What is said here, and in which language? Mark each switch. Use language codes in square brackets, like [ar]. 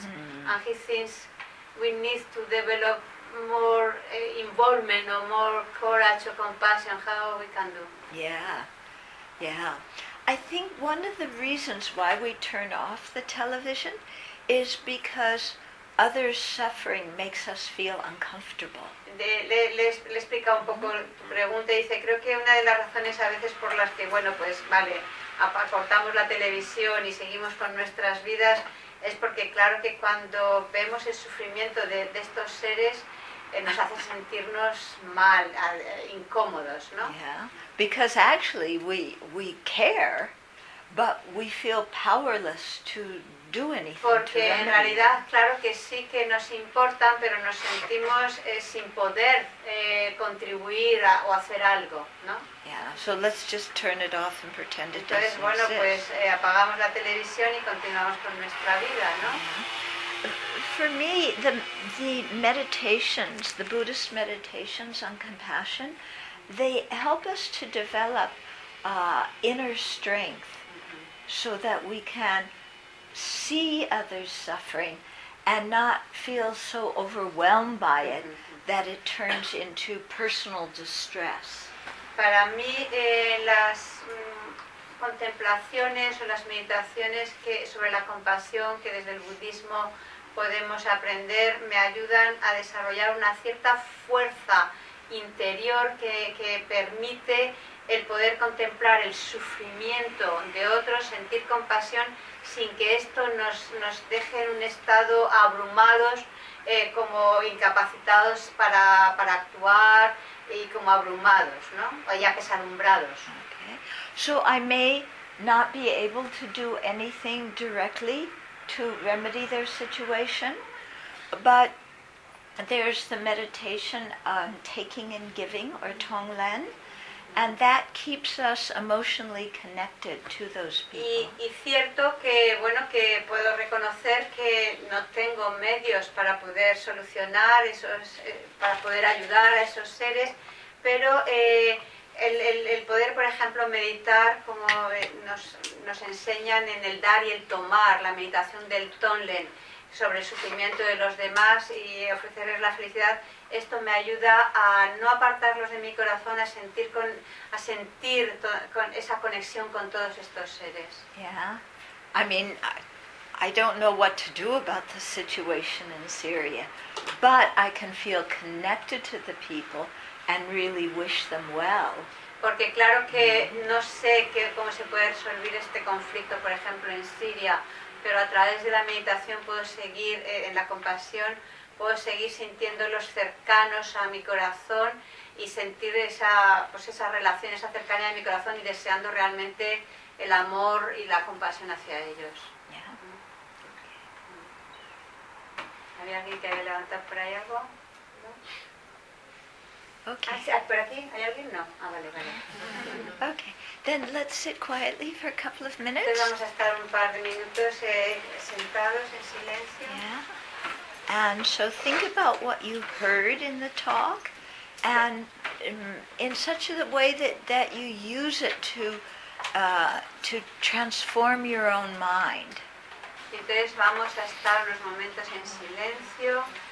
[en] Mm-hmm. And he thinks we need to develop more involvement or more courage or compassion. How we can do? Yeah. I think one of the reasons why we turn off the television is because others' suffering makes us feel uncomfortable. [es] Le explica un poco tu pregunta y dice, creo que una de las razones a veces por las que, bueno, pues vale, cortamos la televisión y seguimos con nuestras vidas, es porque claro que cuando vemos el sufrimiento de estos seres, nos hace sentirnos mal, incómodos, ¿no? [en] Yeah, because actually we care, but we feel powerless to do anything. [es] Porque en realidad, claro que sí que nos importan, pero nos sentimos sin poder contribuir a, o hacer algo, ¿no? [en] Yeah, so let's just turn it off and pretend it doesn't exist. [es] Entonces, bueno, pues apagamos la televisión y continuamos con nuestra vida, ¿no? [en] For me, the meditations, the Buddhist meditations on compassion, they help us to develop inner strength so that we can see others suffering and not feel so overwhelmed by it that it turns into personal distress. [es] Para mí, las contemplaciones o las meditaciones que, sobre la compasión que desde el budismo podemos aprender, me ayudan a desarrollar una cierta fuerza interior que permite el poder contemplar el sufrimiento de otros, sentir compasión, sin que esto nos deje en un estado abrumados, como incapacitados para actuar, y como abrumados, ¿no? O ya pesadumbrados. [en] Okay. So I may not be able to do anything directly to remedy their situation, but there's the meditation on taking and giving, or tonglen, and that keeps us emotionally connected to those people. [es] Y cierto que, bueno, que puedo reconocer que no tengo medios para poder solucionar esos, para poder ayudar a esos seres, pero el poder, por ejemplo, meditar, como nos enseñan en el dar y el tomar, la meditación del Tonglen sobre el sufrimiento de los demás y ofrecerles la felicidad, esto me ayuda a no apartarlos de mi corazón, a sentir con esa conexión con todos estos seres. [en] Yeah. I mean, I don't know what to do about the situation in Syria, but I can feel connected to the people and really wish them well. [es] Porque claro que no sé que, cómo se puede resolver este conflicto, por ejemplo, en Siria, pero a través de la meditación puedo seguir, en la compasión, puedo seguir sintiéndolos cercanos a mi corazón y sentir esa, pues esa relación, esa cercanía de mi corazón y deseando realmente el amor y la compasión hacia ellos. [en] Yeah. [es] ¿Había alguien que había levantado por ahí algo? ¿No? [en] Okay. [es] ¿Por aquí? ¿Hay alguien? No. Ah, vale. [en] Okay. Then let's sit quietly for a couple of minutes. [es] Entonces vamos a estar un par de minutos sentados en silencio. [en] Yeah. And so think about what you heard in the talk, and in such a way that you use it to transform your own mind. [es] Entonces vamos a estar unos momentos en silencio.